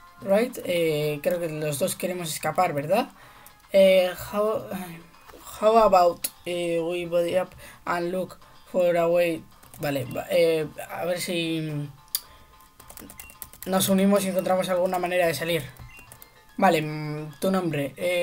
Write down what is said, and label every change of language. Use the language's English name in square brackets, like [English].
[Spanish] Right, creo que los dos queremos escapar, ¿verdad? [English] How about we body up and look for a way. [Spanish] Vale, a ver si nos unimos y encontramos alguna manera de salir. Vale, tu nombre.